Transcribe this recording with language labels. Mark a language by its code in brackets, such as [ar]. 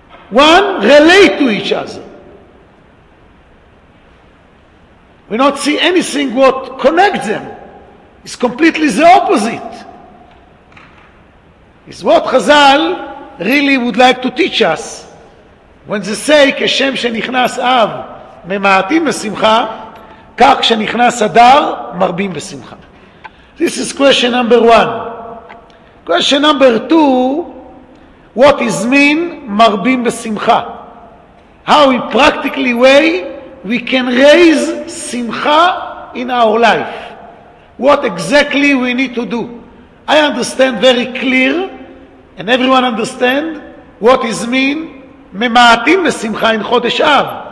[en] One relate to each other. We not see anything what connects them. It's completely the opposite. It's what Chazal really would like to teach us. When they say, [he] כשם שנכנס אב, ממעטים בשמחה, כך שנכנס אדר, מרבים בשמחה. [en] This is question number one. Question number two, what is mean [he] מרבים בשמחה? [en] How in practically way we can raise שמחה in our life? What exactly we need to do? I understand very clear, and everyone understand, what is mean [he] ממעטים בשמחה [en] in חודש אב.